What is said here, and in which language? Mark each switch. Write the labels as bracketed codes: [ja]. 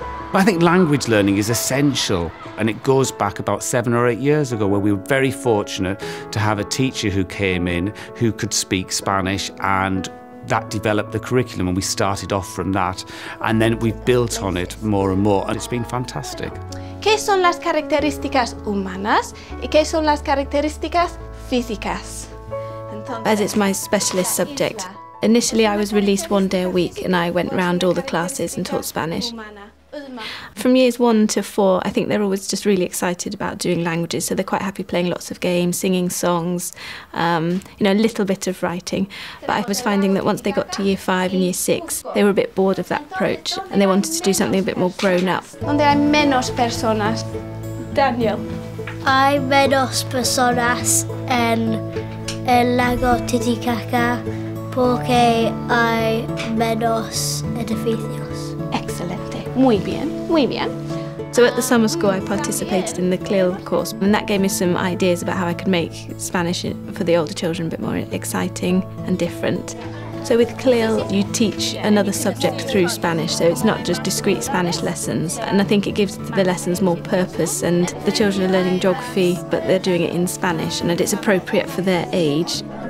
[en] But I think language learning is essential, and it goes back about 7 or 8 years ago, where we were very fortunate to have a teacher who came in who could speak Spanish, and that developed the curriculum, and we started off from that, and then we've built on it more and more, and it's been fantastic. [es] ¿Qué son las características humanas y qué son las características físicas? [en] As it's my specialist subject, initially I was released one day a week and I went round all the classes and taught Spanish. From years 1 to 4, I think they're always just really excited about doing languages, so they're quite happy playing lots of games, singing songs, you know, a little bit of writing. But I was finding that once they got to year 5 and year 6, they were a bit bored of that approach and they wanted to do something a bit more grown up. [es] Donde hay menos personas. Daniel. Hay menos personas en el lago Titicaca porque hay menos edificios. Excelente. Muy bien, muy bien. [en] So at the summer school I participated in the CLIL course, and that gave me some ideas about how I could make Spanish for the older children a bit more exciting and different. So with CLIL you teach another subject through Spanish, so it's not just discrete Spanish lessons, and I think it gives the lessons more purpose, and the children are learning geography but they're doing it in Spanish and it's appropriate for their age.